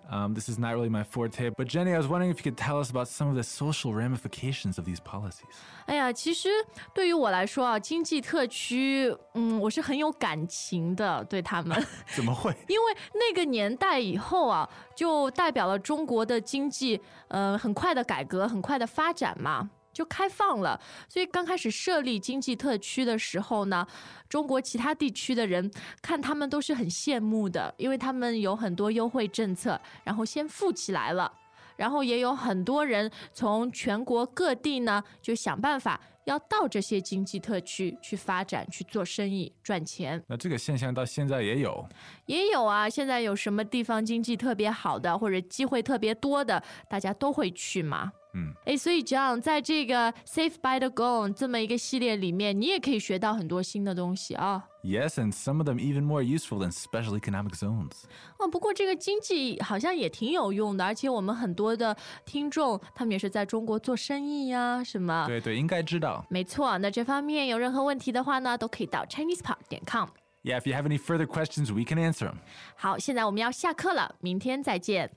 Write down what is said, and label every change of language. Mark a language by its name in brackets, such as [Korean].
[English] This is not really my forte, but Jenny, I was wondering if you could tell us about some of the social ramifications of these policies. [Chinese] 哎呀，其实对于我来说啊，经济特区，我是很有感情的，对他们。怎么会？因为那个年代以后啊，就代表了中国的经济，很快的改革，很快的发展嘛。就开放了，所以刚开始设立经济特区的时候呢，中国其他地区的人看他们都是很羡慕的，因为他们有很多优惠政策，然后先富起来了，然后也有很多人从全国各地呢就想办法要到这些经济特区去发展，去做生意赚钱。那这个现象到现在也有？也有啊，现在有什么地方经济特别好的或者机会特别多的，大家都会去嘛。所以 John 在这个 Safe by the Gong 这么一个系列里面，你也可以学到很多新的东西啊。 [English] Yes, and some of them even more useful than special economic zones. [Chinese] 不过这个经济好像也挺有用的，而且我们很多的听众他们也是在中国做生意啊什么。对对，应该知道。没错，那这方面有任何问题的话呢，都可以到 ChinesePod.com。 [English] Yeah, if you have any further questions, we can answer them. [Chinese] 好，现在我们要下课了，明天再见。